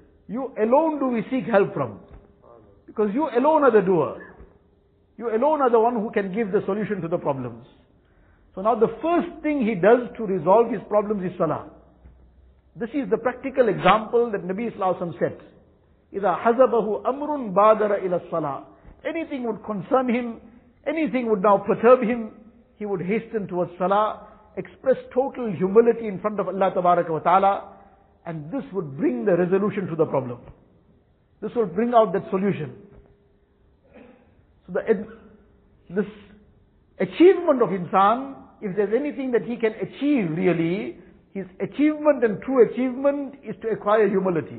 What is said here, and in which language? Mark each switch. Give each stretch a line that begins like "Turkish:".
English: You alone do we seek help from. Because you alone are the doer. You alone are the one who can give the solution to the problems. So now the first thing he does to resolve his problems is salah. This is the practical example that Nabi Sallallahu Alaihi Wasallam said.
Arabic: إِذَا حَزَبَهُ أَمْرٌ بَادَرَ إِلَى الصَّلَاةِ.
English: Anything would concern him, anything would now perturb him, he would hasten towards salah, express total humility in front of Allah Tabaraka wa Ta'ala, and this would bring the resolution to the problem. This will bring out that solution. So this achievement of insan, if there's anything that he can achieve really, his achievement and true achievement is to acquire humility.